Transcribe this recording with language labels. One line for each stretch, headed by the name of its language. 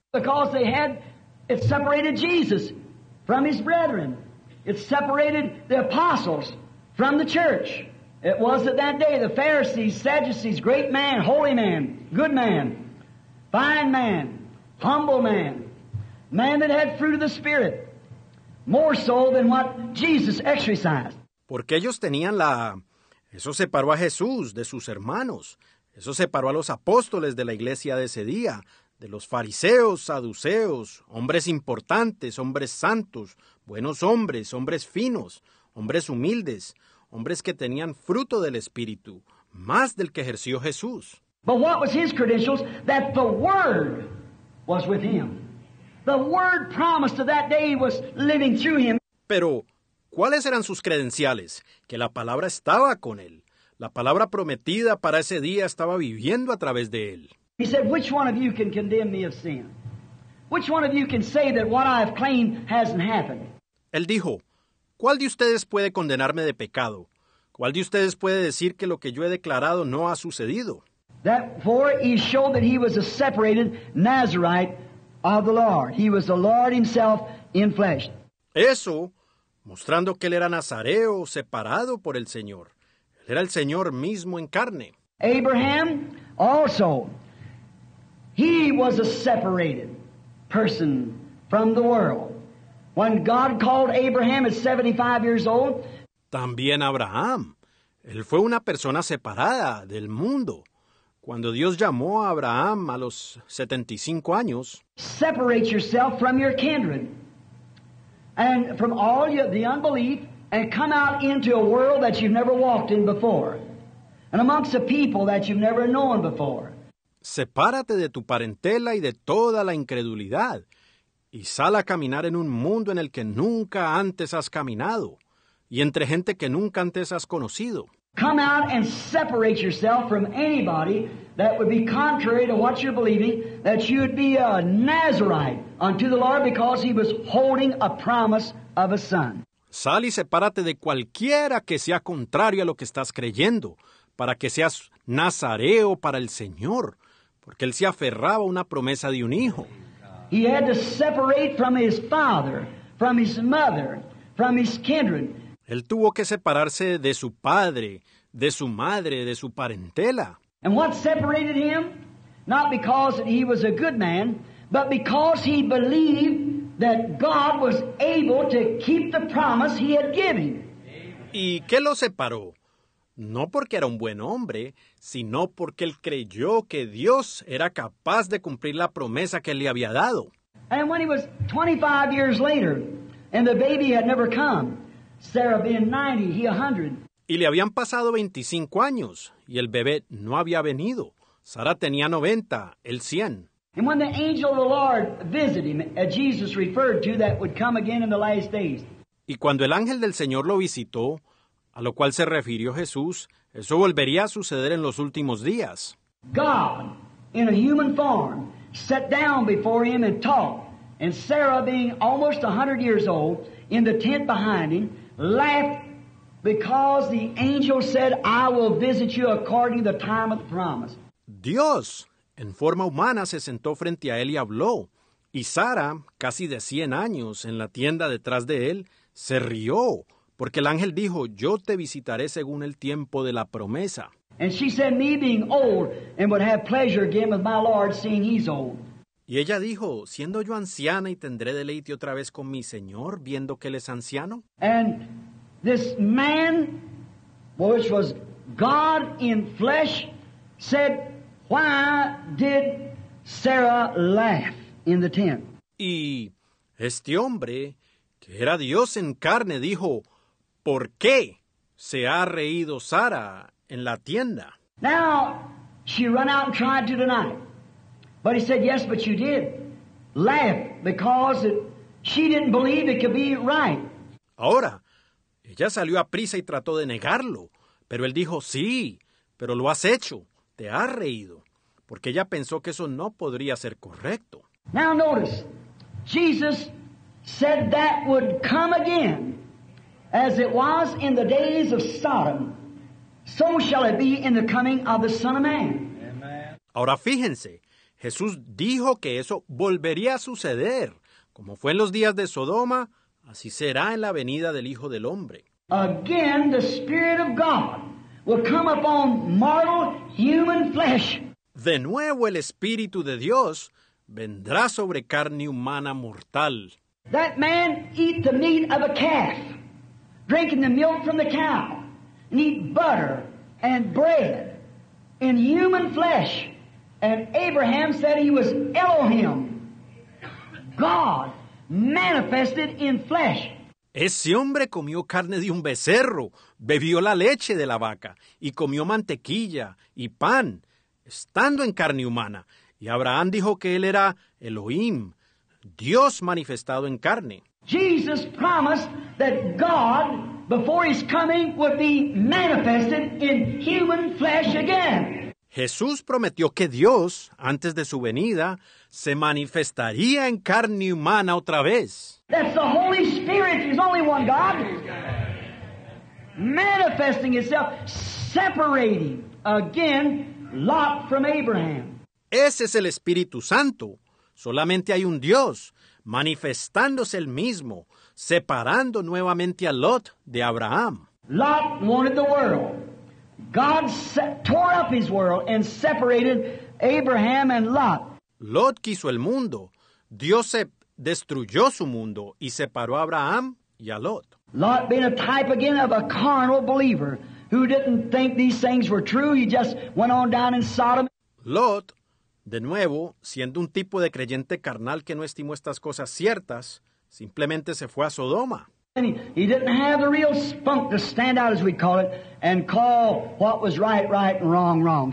English: Because they had, it separated Jesus from his brethren. It separated the apostles from the church. It was at that day the Pharisees, Sadducees, great man, holy man, good man, fine man, humble man, man that had fruit of the Spirit, more so than what Jesus exercised.
Spanish: Porque ellos tenían la... Eso separó a Jesús de sus hermanos. Eso separó a los apóstoles de la iglesia de ese día, de los fariseos, saduceos, hombres importantes, hombres santos, buenos hombres, hombres finos, hombres humildes, hombres que tenían fruto del Espíritu, más del que ejerció Jesús.
English: But what was his credentials? That the Word was with him. The Word promised to that day was living through him.
Spanish: Pero, ¿cuáles eran sus credenciales? Que la palabra estaba con él. La palabra prometida para ese día estaba viviendo a través de él.
English: He said, which one of you can condemn me of sin? Which one of you can say that what I have claimed hasn't happened?
Spanish: Él dijo, ¿cuál de ustedes puede condenarme de pecado? ¿Cuál de ustedes puede decir que lo que yo he declarado no ha sucedido?
English: That for he showed that he was a separated Nazarite of the Lord. He was the Lord himself in flesh.
Spanish: Eso, mostrando que él era nazareo, separado por el Señor. Él era el Señor mismo en carne.
English: Abraham also, he was a separated person from the world. When God called Abraham at 75 years old,
Spanish: también Abraham, él fue una persona separada del mundo. Cuando Dios llamó a Abraham a los 75 años,
English: separate yourself from your kindred and from all the unbelief and come out into a world that you've never walked in before and amongst a people that you've never known before.
Spanish: Sepárate de tu parentela y de toda la incredulidad y sal a caminar en un mundo en el que nunca antes has caminado y entre gente que nunca antes has conocido.
English: Come out and separate yourself from anybody that would be contrary to what you're believing, that you'd be a Nazarite unto the Lord because he was holding a promise of a son.
Spanish: Sal y sepárate de cualquiera que sea contrario a lo que estás creyendo, para que seas Nazareo para el Señor, porque él se aferraba a una promesa de un hijo.
English: He had to separate from his father, from his mother, from his kindred.
Spanish: Él tuvo que separarse de su padre, de su madre, de su parentela.
English: And what separated him? Not because he was a good man, but because he believed that God was able to keep the promise he had given.
Spanish: ¿Y qué lo separó? No porque era un buen hombre, sino porque él creyó que Dios era capaz de cumplir la promesa que le había dado.
English: And when he was 25 years later, and the baby had never come, Sarah being 90, he 100.
Spanish: Y le habían pasado 25 años, y el bebé no había venido. Sara tenía 90, él 100.
English: And when the angel of the Lord visited him, as Jesus referred to, that would come again in the last days.
Spanish: Y cuando el ángel del Señor lo visitó, a lo cual se refirió Jesús, eso volvería a suceder en los últimos días.
English: God, in a human form, sat down before him and talked, and Sarah, being almost 100 years old, in the tent behind him, laughed because the angel said, I will visit you according to the time of the promise.
Spanish: Dios, en forma humana, se sentó frente a él y habló, y Sara, casi de 100 años, en la tienda detrás de él, se rió, porque el ángel dijo, yo te visitaré según el tiempo de la promesa.
English: And she said, me being old, and would have pleasure again with my Lord, seeing he's old.
Spanish: Y ella dijo, siendo yo anciana y tendré deleite otra vez con mi Señor, viendo que él es anciano.
English: And this man, which was God in flesh, said, why did Sarah laugh in the tent?
Spanish: Y este hombre, que era Dios en carne, dijo, ¿por qué se ha reído Sara en la tienda?
English: Now, she ran out and tried to deny it. But he said, yes, but you did. Laugh, because she didn't believe it could be right.
Spanish: Ahora, ella salió a prisa y trató de negarlo. Pero él dijo, sí, pero lo has hecho. Te has reído. Porque ella pensó que eso no podría ser correcto.
English: Now notice, Jesus said that would come again. As it was in the days of Sodom, so shall it be in the coming of the Son of Man. Amen.
Spanish: Ahora fíjense, Jesús dijo que eso volvería a suceder. Como fue en los días de Sodoma, así será en la venida del Hijo del Hombre.
English: Again, the Spirit of God will come upon mortal human flesh.
Spanish: De nuevo, el Espíritu de Dios vendrá sobre carne humana mortal.
English: That man eat the meat of a calf. Drinking the milk from the cow, and eat butter and bread in human flesh. And Abraham said he was Elohim, God manifested in flesh.
Spanish: Ese hombre comió carne de un becerro, bebió la leche de la vaca, y comió mantequilla y pan, estando en carne humana. Y Abraham dijo que él era Elohim, Dios manifestado en carne.
English: Jesus promised that God, before his coming, would be manifested in human flesh again.
Spanish: Jesús prometió que Dios, antes de su venida, se manifestaría en carne humana otra vez.
English: That's the Holy Spirit, he's only one God. Manifesting himself, separating again Lot from Abraham.
Spanish: Ese es el Espíritu Santo. Solamente hay un Dios. Manifestándose el mismo, separando nuevamente a Lot de Abraham.
English: Lot wanted the world. God tore up his world and separated Abraham and Lot.
Spanish: Lot quiso el mundo. Dios destruyó su mundo y separó a Abraham y a Lot.
English: Lot being a type again of a carnal believer who didn't think these things were true. He just went on down in Sodom.
Spanish: Lot, de nuevo, siendo un tipo de creyente carnal que no estimó estas cosas ciertas, simplemente se fue a Sodoma.
English: He didn't have the real spunk to stand out, as we call it, and call what was right, right, and wrong, wrong.